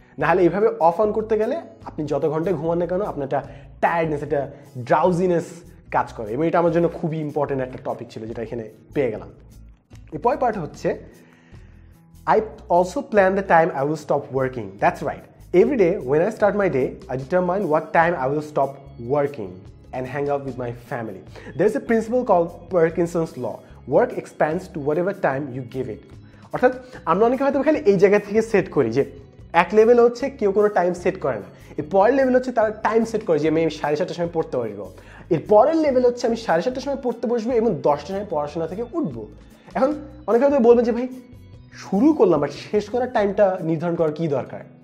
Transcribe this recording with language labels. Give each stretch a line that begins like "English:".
Bangla: নাহলে এইভাবে of on করতে গেলে আপনি যত ঘন্টায় ঘুমান না কেন আপনার একটা টায়ার্ডনেস, একটা ড্রাউজিনেস কাজ করে, এবং এটা আমার জন্য খুবই ইম্পর্টেন্ট একটা টপিক ছিল যেটা এখানে পেয়ে গেলাম। এরপর পার্ট হচ্ছে
English: I also plan the time I will stop working, that's right. Every day, when I start my day, I determine what time I will stop working and hang out with my family. There's a principle called Parkinson's law. Work expands to whatever time you give it.
Bangla: অর্থাৎ আমরা অনেকে হয়তো খালি এই জায়গা থেকে set করি যে এক লেভেল হচ্ছে কেউ কোনো টাইম সেট করে না, এর পরের লেভেল হচ্ছে তারা টাইম সেট করে যে আমি 7:30 সময় পড়তে পারব, এর পরের লেভেল হচ্ছে আমি 7:30 সময় পড়তে বসবো এবং 10টার সময় পড়াশোনা থেকে উঠবো। এখন অনেকে হয়তো বলবেন যে ভাই শুরু করলাম বাট শেষ করার টাইমটা নির্ধারণ করার কী দরকার?